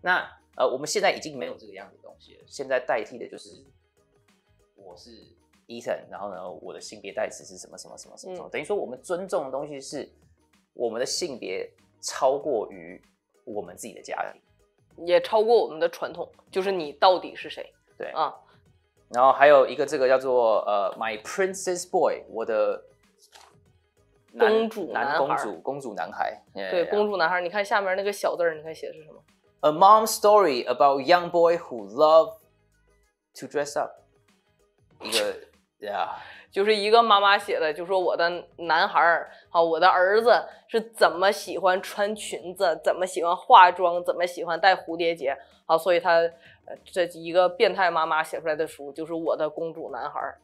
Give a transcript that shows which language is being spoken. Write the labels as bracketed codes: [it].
[zh] 那我们现在已经没有这个样子的东西了，现在代替的就是我是 Ethan， 然后呢，我的性别代词是什么什么什么什么，等于说我们尊重的东西是我们的性别超过于我们自己的家庭，也超过我们的传统，就是你到底是谁？对啊。然后还有一个这个叫做My Princess Boy， 我的公主男孩，公主男孩。 [en] Yeah, [zh] 对， [en] yeah. [zh] 公主男孩，你看下面那个小字儿，你看写的是什么 [en] ？A mom's story about young boy who love to dress up。 [zh] 一个，对啊，就是一个妈妈写的，就说我的男孩啊，我的儿子是怎么喜欢穿裙子，怎么喜欢化妆，怎么喜欢戴蝴蝶结啊，所以他。这一个变态妈妈写出来的书就是我的公主男孩。